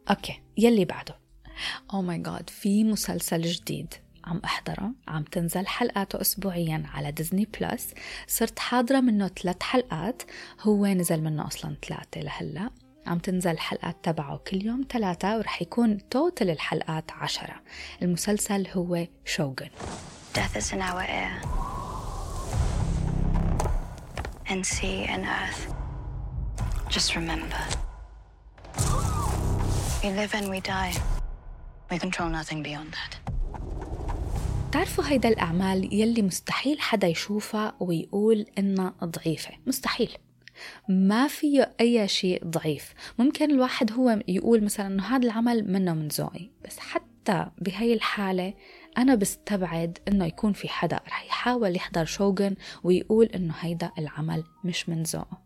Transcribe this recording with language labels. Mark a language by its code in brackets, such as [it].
[ar] أوكي يلي بعده، [en] oh my god, [ar] في مسلسل جديد عم أحضره، عم تنزل حلقاته أسبوعياً على ديزني بلس، صرت حاضرة منه 3 حلقات، هو نزل منه أصلاً 3 لهلأ، عم تنزل حلقات تبعه كل يوم 3 ورح يكون توتل الحلقات 10. المسلسل هو شوغن. [en] Death is in our air and sea and earth. Just remember, we live and we die. We control nothing beyond that. [ar] تعرفوا هيدا الأعمال يلي مستحيل حدا يشوفها ويقول إنها ضعيفة، مستحيل، ما فيه أي شيء ضعيف. ممكن الواحد هو يقول مثلا إنه هذا العمل منه من ذوقي، بس حتى بهاي الحالة أنا بستبعد إنه يكون في حدا رح يحاول يحضر شوغن ويقول إنه هيدا العمل مش من ذوقه.